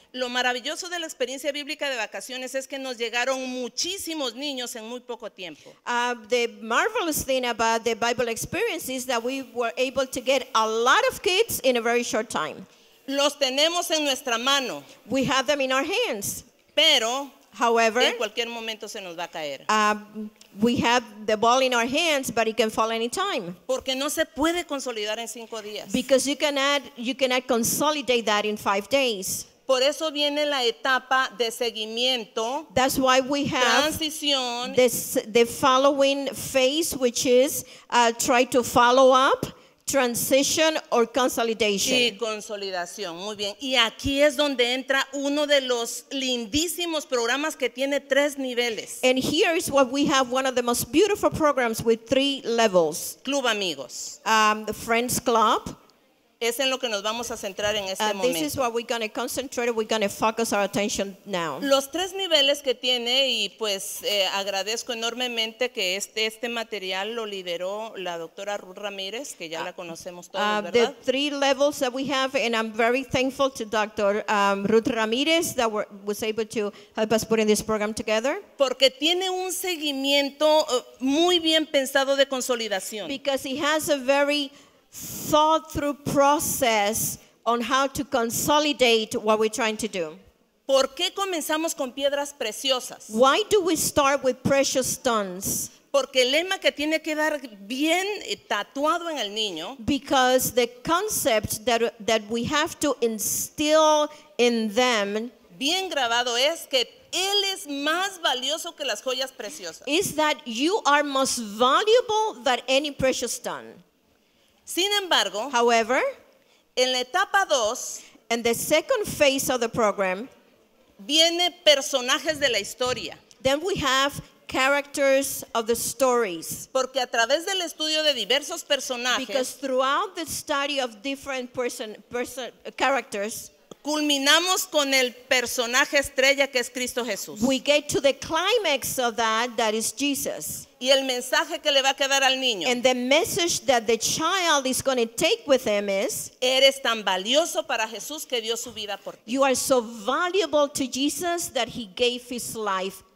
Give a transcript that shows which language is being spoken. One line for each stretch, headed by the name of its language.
Spanish: Lo maravilloso de la experiencia bíblica de vacaciones es que nos llegaron muchísimos niños en muy poco tiempo.
English: The marvelous thing about the Bible experience is that we were able to get a lot of kids in a very short time.
Spanish: Los tenemos en nuestra mano.
English: We have them in our hands.
Spanish: Pero,
English: however,
Spanish: en cualquier momento se nos va a caer.
English: We have the ball in our hands, but it can fall anytime.
Spanish: Porque no se puede consolidar en 5 días.
English: Because you cannot consolidate that in 5 days.
Spanish: Por eso viene la etapa de seguimiento.
English: That's why we have
Spanish: transición.
English: The following phase, which is try to follow up, transition or consolidation.
Spanish: Y consolidación, muy bien. Y aquí es donde entra uno de los lindísimos programas que tiene 3 niveles.
English: And here is what we have, one of the most beautiful programs with 3 levels.
Spanish: Club Amigos.
English: The Friends Club.
Spanish: Es en lo que nos vamos a centrar en este momento.
English: This is what we're going to concentrate, we're going to focus our attention now.
Spanish: Los 3 niveles que tiene, y pues agradezco enormemente que este material lo lideró la doctora Ruth Ramírez, que ya la conocemos todos, ¿verdad?
English: The 3 levels that we have, and I'm very thankful to Dr. Ruth Ramírez that was able to help us put in this program together.
Spanish: Porque tiene un seguimiento muy bien pensado de consolidación.
English: Because he has a very thought through process on how to consolidate what we're trying to do.
Spanish: ¿Por qué comenzamos con piedras preciosas?
English: Why do we start with precious stones?
Spanish: Porque el lema que tiene que dar bien tatuado en el niño.
English: Because the concept that we have to instill in them
Spanish: bien grabado es que él es más valioso que las joyas preciosas.
English: Is that you are most valuable than any precious stone.
Spanish: Sin embargo,
English: however,
Spanish: en la etapa 2,
English: in the second phase of the program,
Spanish: viene personajes de la historia.
English: Then we have characters of the stories.
Spanish: Porque a través del estudio de diversos personajes,
English: because throughout the study of different characters,
Spanish: culminamos con el personaje estrella que es Cristo Jesús.
English: We get to the climax of that is Jesus.
Spanish: Y el mensaje que le va a quedar al niño.
English: And the message that the child is going to take with him is,
Spanish: eres tan valioso para Jesús que dio su vida por ti.
English: You are so valuable to Jesus that he gave his life